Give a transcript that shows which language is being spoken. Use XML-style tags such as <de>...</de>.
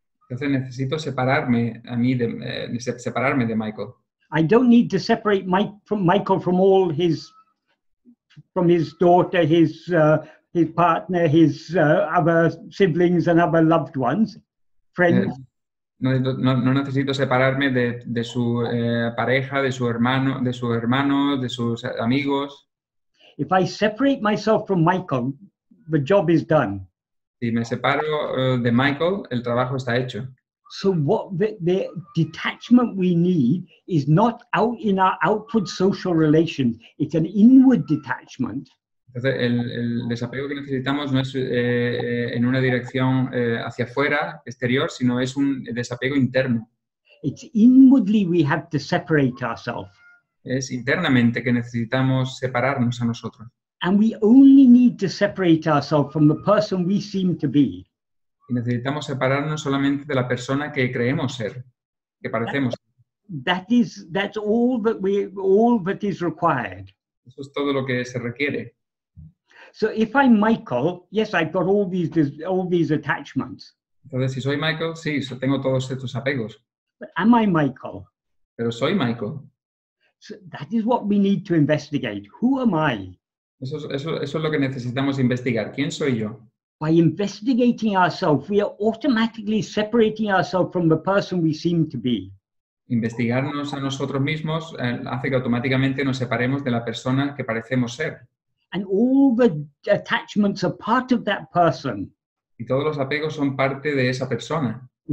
<es>Entonces necesito separarme a mí de separarme de Michael.</es> <en>I don't need to separate Michael from all his from his daughter, his partner, his other siblings and other loved ones, friends.</en> <es>No necesito separarme de su pareja, de su hermano, de sus amigos.</es> <en>If I separate myself from Michael, the job is done.</en> <es>Si me separo de Michael, el trabajo está hecho.</es> <en>So what the detachment we need is not out in our outward social relations. It's an inward detachment.</en> <es>Entonces, el desapego que necesitamos no es en una dirección hacia afuera, exterior, sino es un desapego interno.</es> <en>It's inwardly we have to separate ourselves.</en> <es>Es internamente que necesitamos separarnos a nosotros.</es> <en>And we only need to separate ourselves from the person we seem to be.</en> <es>Y necesitamos separarnos solamente de la persona que creemos ser, que parecemos.</es> <en>That's all that is required.</en> <es>Eso es todo lo que se requiere.</es> <en>So if I'm Michael, yes, I've got all these attachments.</en> <es>Entonces, si soy Michael, sí, tengo todos estos apegos.</es> <en>But am I Michael?</en> <es>Pero soy Michael.</es> <en>So that is what we need to investigate. Who am I?</en> <es>Eso es lo que necesitamos investigar. ¿Quién soy yo?</es> <en>By investigating ourselves, we are automatically separating ourselves from the person we seem to be.</en> <es>Investigarnos a nosotros mismos hace que automáticamente nos separemos de la persona que parecemos ser.</es> <en>And all the attachments are part of that person.</en> <es>Y todos los apegos son parte de esa persona.</es>